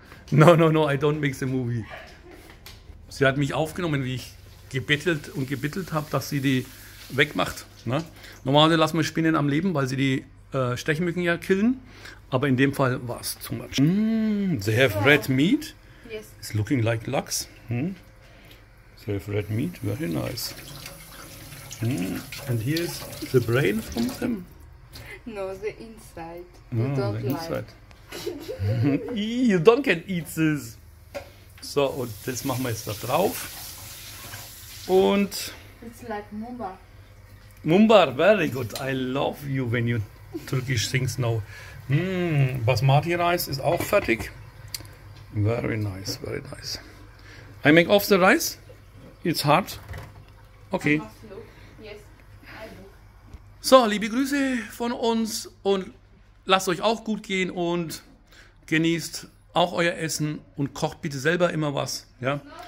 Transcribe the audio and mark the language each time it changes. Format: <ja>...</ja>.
<en>No, no, no, I don't make the movie.</en> <de>Sie hat mich aufgenommen, wie ich gebettelt und gebettelt habe, dass sie die wegmacht. Ne? Normalerweise lassen wir Spinnen am Leben, weil sie die Stechmücken ja killen. Aber in dem Fall war es</de> <en>too much. They have red meat. Yes. It's looking like lachs. They have red meat. Very nice. And here is the brain from them. No, the inside. Oh, You the don't like. inside. You don't can eat this.</en> <de>So, und das machen wir jetzt da drauf. Und</de> <en>It's like Mumba. Mumbar, very good. I love you when you Turkish things know.</en> <de>Basmati-Reis ist auch fertig.</de> <en>Very nice, very nice. I make off the rice. It's hard. I Okay. must look. Yes, I look.</en> <de>So, liebe Grüße von uns und lasst euch auch gut gehen und genießt auch euer Essen und kocht bitte selber immer was. Ja?</de>